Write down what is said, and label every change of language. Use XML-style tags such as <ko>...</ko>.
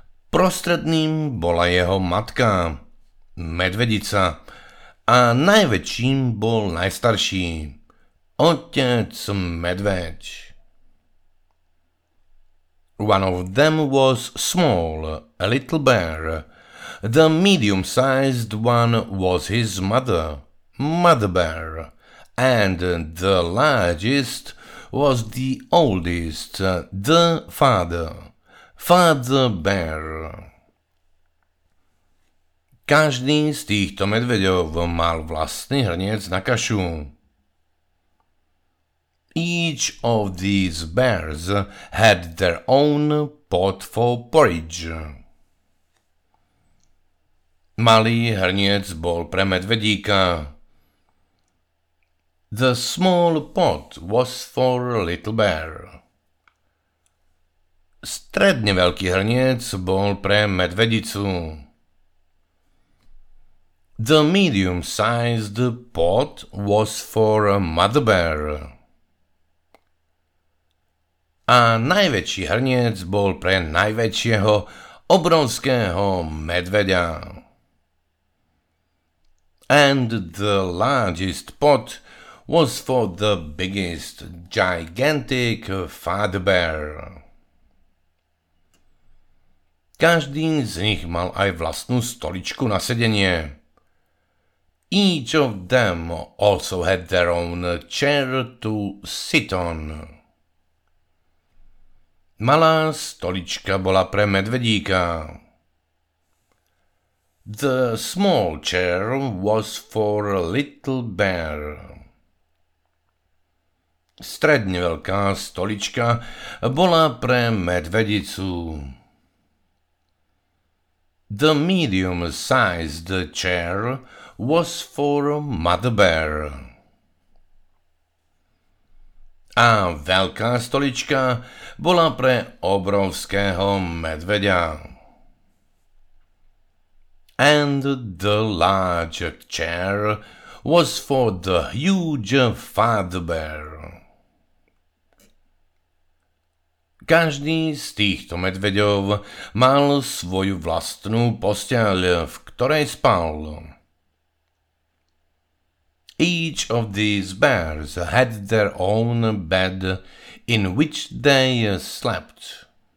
<sk>Prostredným bola jeho matka, medvedica, a najväčším bol najstarší, otec medveď.</sk> <en>One of them was small, a little bear. The medium-sized one was his mother, mother bear, and the largest was the oldest, the father. Father Bear.</en> <sk>Každý z týchto medveďov mal vlastný hrniec na kašu.</sk> <en>Each of these bears had their own pot for porridge.</en> <sk>Malý hrniec bol pre medvedíka.</sk> <en>The small pot was for little bear.</en> <sk>Stredne veľký hrniec bol pre medvedicu.</sk> <en>The medium-sized pot was for mother bear.</en> <sk>A najväčší hrniec bol pre najväčšieho obrovského medveďa.</sk> <en>And the largest pot was for the biggest gigantic father bear.</en> <sk>Každý z nich mal aj vlastnú stoličku na sedenie.</sk> <en>Each of them also had their own chair to sit on.</en> <sk>Malá stolička bola pre medvedíka.</sk> <en>The small chair was for a little bear.</en> <sk>Stredne veľká stolička bola pre medvedicu.</sk> <en>The medium-sized chair was for mother bear.</en> <sk>A veľká stolička bola pre obrovského medveďa.</sk> <en>And the large chair was for the huge father bear.</en> <sk>Každý z týchto medveďov mal svoju vlastnú posteľ, v ktorej spal.</sk> <en>Each of these bears had their own bed in which they slept.</en>